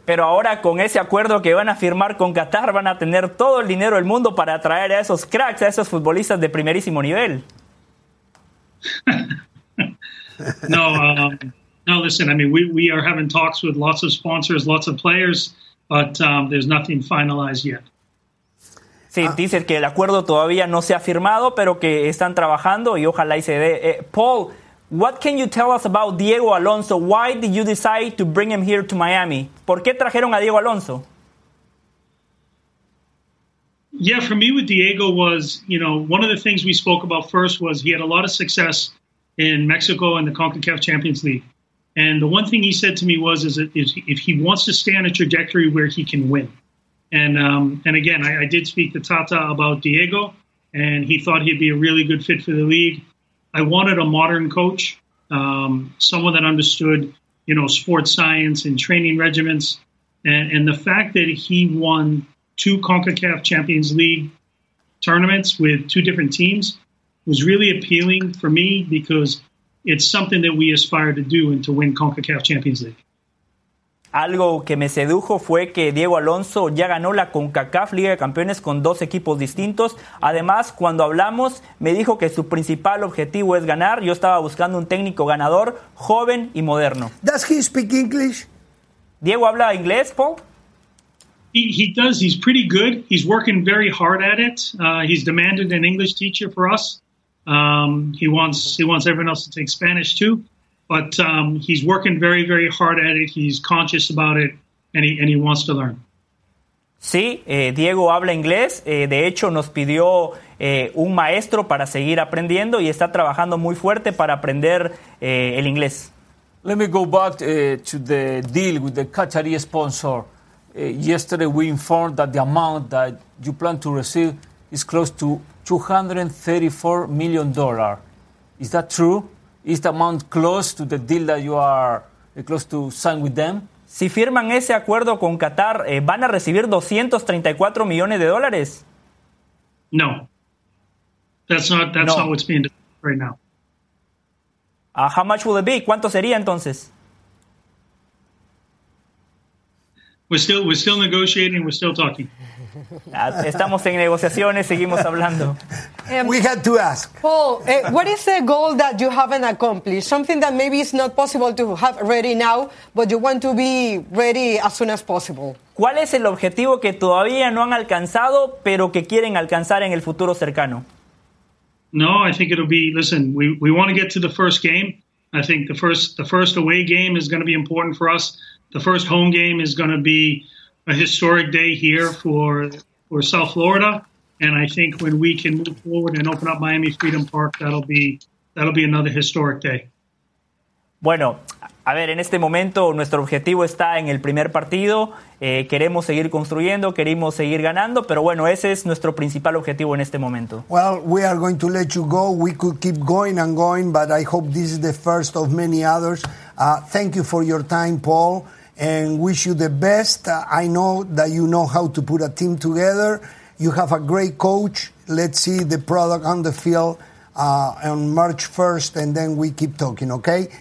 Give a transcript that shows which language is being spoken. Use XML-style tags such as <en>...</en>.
<es>Pero ahora con ese acuerdo que van a firmar con Qatar, van a tener todo el dinero del mundo para atraer a esos cracks, a esos futbolistas de primerísimo nivel.</es> <en>No, listen, I mean, we are having talks with lots of sponsors, lots of players, but there's nothing finalized yet.</en> <es>Sí, dice que el acuerdo todavía no se ha firmado, pero que están trabajando y ojalá y se dé.</es> <en>Paul, what can you tell us about Diego Alonso? Why did you decide to bring him here to Miami?</en> <es>¿Por qué trajeron a Diego Alonso?</es> <en>Yeah, for me with Diego was, you know, one of the things we spoke about first was he had a lot of success in Mexico and the CONCACAF Champions League. And the one thing he said to me was, is that if he wants to stay on a trajectory where he can win. And again, I did speak to Tata about Diego, and he thought he'd be a really good fit for the league. I wanted a modern coach, someone that understood, you know, sports science and training regimens. And the fact that he won two CONCACAF Champions League tournaments with two different teams was really appealing for me because it's something that we aspire to do and to win CONCACAF Champions League.</en> <es>Algo que me sedujo fue que Diego Alonso ya ganó la CONCACAF Liga de Campeones con dos equipos distintos. Además, cuando hablamos, me dijo que su principal objetivo es ganar. Yo estaba buscando un técnico ganador, joven y moderno.</es> <en>Does he speak English?</en> <es>¿Diego habla inglés, Paul?</es> <en>He does. He's pretty good. He's working very hard at it. He's demanded an English teacher for us. He wants everyone else to take Spanish too. But he's working very, very hard at it. He's conscious about it, and he wants to learn.</en> <es>Sí, Diego habla inglés. De hecho, nos pidió un maestro para seguir aprendiendo y está trabajando muy fuerte para aprender el inglés.</es> <en>Let me go back to the deal with the Qatari sponsor. Yesterday we informed that the amount that you plan to receive is close to $234 million. Is that true? Is the amount close to the deal that you are close to sign with them?</en> <es>Si firman ese acuerdo con Qatar, ¿van a recibir $234 millones?</es> <en>No. That's not what's being done right now. How much will it be?</en> <es>¿Cuánto sería entonces?</es> <en>We're still negotiating, we're still talking.</en> <es>Estamos en negociaciones, seguimos hablando.</es> <en>We had to ask. Paul, what is the goal that you haven't accomplished? Something that maybe is not possible to have ready now, but you want to be ready as soon as possible.</en> <es>¿Cuál es el objetivo que todavía no han alcanzado, pero que quieren alcanzar en el futuro cercano?</es> <en>No, I think it'll be, listen, we want to get to the first game. I think the first away game is going to be important for us. The first home game is going to be a historic day here for South Florida. And I think when we can move forward and open up Miami Freedom Park, that'll be another historic day.</en> <es>Bueno, a ver, en este momento nuestro objetivo está en el primer partido. Queremos seguir construyendo, queremos seguir ganando, pero bueno, ese es nuestro principal objetivo en este momento.</es> <en>Well, we are going to let you go. We could keep going and going, but I hope this is the first of many others. Thank you for your time, Paul, and wish you the best. I know that you know how to put a team together. You have a great coach. Let's see the product on the field on March 1st, and then we keep talking, okay?</en>